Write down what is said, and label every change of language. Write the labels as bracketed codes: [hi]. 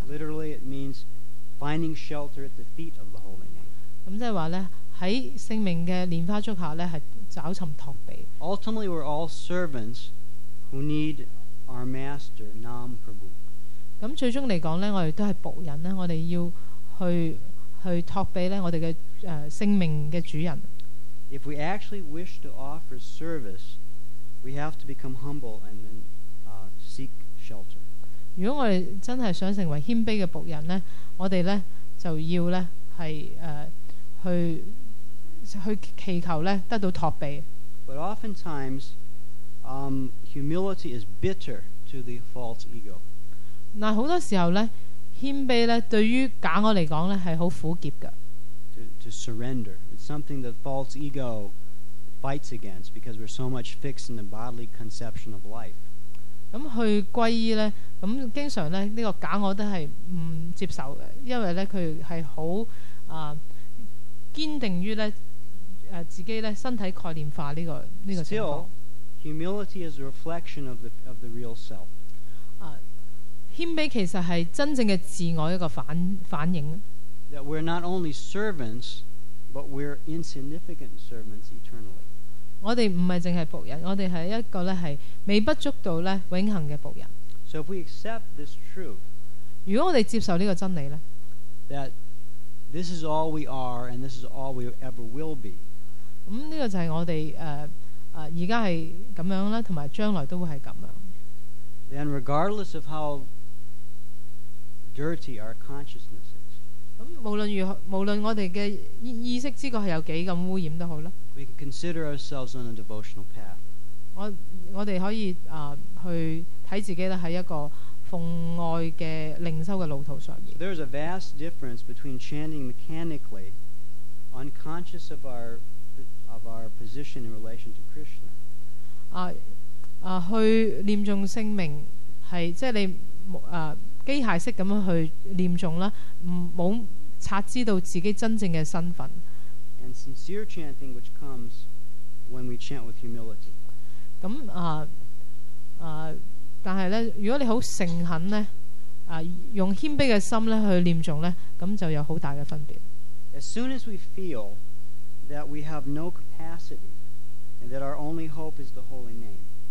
[en] Literally, it means finding shelter at the feet of the holy name. Ultimately, we're all servants who need our master, Nam Prabhu. [yue] 咁最終嚟講咧，我哋都係仆人咧，我哋要去托庇咧我哋嘅聖名嘅主人。 [en] If we actually wish to offer service, we have to become humble and then seek shelter. [yue] 如果我哋真係想成為謙卑嘅仆人咧，我哋咧就要咧係去祈求咧得到托庇。 [en] But oftentimes, humility is bitter to the false ego. [yue] 嗱，好多時候咧，謙卑咧對於假我嚟講咧係好苦澀嘅。 [en] To surrender, it's something that false ego fights against because we're so much fixed in the bodily conception of life. [yue] 咁去歸依咧，咁經常咧呢個假我都係唔接受嘅，因為咧佢係好堅定於咧自己咧身體概念化呢個情況。 [en] Humility is a reflection of the real self。 [yue] 謙卑其實係真正嘅自我一個反映。 [en] That we're not only servants, but we're insignificant servants eternally. [yue] 我哋唔係淨係仆人，我哋係一個咧係微不足道咧永恆嘅仆人。 [en] So if we accept this truth, [yue] 如果我哋接受呢個真理咧 [en] ，that this is all we are and this is all we ever will be， [yue] 咁呢個就係我哋而家係咁樣啦，同埋將來都會係咁樣。 [en] Then regardless of how dirty our consciousness is， [yue] 咁無論我哋嘅意識知覺係有幾咁污染都好啦。 [en] We can consider ourselves on a devotional path. [yue] 我哋可以去睇自己咧喺一個奉愛嘅靈修嘅路途上面。 [en] So there is a vast difference between chanting mechanically, unconscious of our position in relation to Krishna. [yue] 去念誦聖名係即係你機械式咁樣去念誦啦，冇察知到自己真正嘅身份。 [en] And sincere chanting, which comes when we chant with humility. [yue] 咁但係咧，如果你好誠懇咧，用謙卑嘅心咧去念誦咧，咁就有好大嘅分別。 [en] As soon as we feel that we have no capacity and that our only hope is the Holy Name，